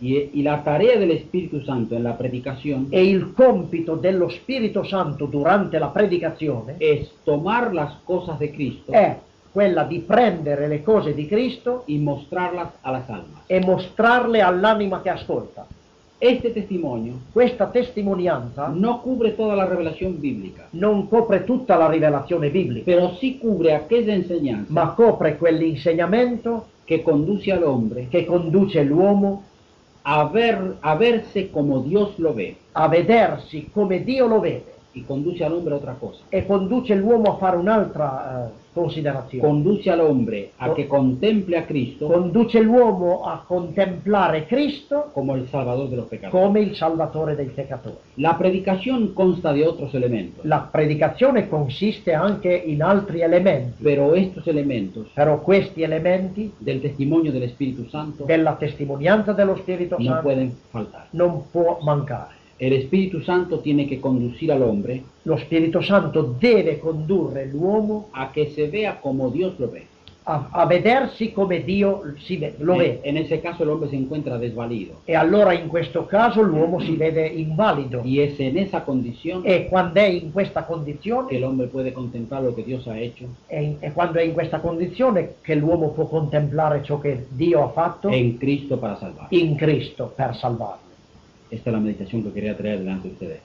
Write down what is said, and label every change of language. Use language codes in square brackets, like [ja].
[es] Y la tarea del Espíritu Santo en la predicación. [it] E il compito dello Spirito Santo durante la predicazione. [es] Es tomar las cosas de Cristo. [it] È quella di prendere le cose di Cristo. [es] Y mostrarlas a las almas. [it] E mostrarle all'anima che ascolta. [es] Este testimonio, [it] questa testimonianza, [es] no cubre toda la revelación bíblica. [it] Non copre tutta la rivelazione biblica. [es] Pero sí cubre aquella enseñanza. [it] Ma copre quell'insegnamento che conduce [es] al hombre, [it] che conduce l'uomo [es] a verse como Dios lo ve, [it] a vedersi come Dio lo vede. [es] Y conduce al hombre a otra cosa. [it] E conduce l'uomo a fare un'altra considerazione. [es] Conduce al hombre a que contemple a Cristo. [it] Conduce l'uomo a contemplare Cristo [es] como el salvador de los pecadores. [it] Come il salvatore dei peccatori. [es] La predicación consta de otros elementos. [it] La predicazione consiste anche in altri elementi. [es] Pero estos elementos. [it] Però questi elementi [es] del testimonio del Espíritu Santo. [it] Della testimonianza dello Spirito Santo. [es] No pueden faltar. [it] Non può mancare. [es] El Espíritu Santo tiene que conducir al hombre. [it] Lo Spirito Santo deve condurre l'uomo [es] a que se vea como Dios lo ve. [it] A vedersi come Dio si ve, lo ve. [es] En ese caso el hombre se encuentra desvalido. [it] E allora in questo caso l'uomo si vede invalido. [es] Y es en esa condición. [it] E quando è in questa condizione. [es] Que el hombre puede contemplar lo que Dios ha hecho. [it] E quando è in questa condizione che l'uomo può contemplare ciò che Dio ha fatto. [es] En Cristo para salvar. [it] In Cristo per salvarlo. [es] Esta es la meditación que quería traer delante de ustedes.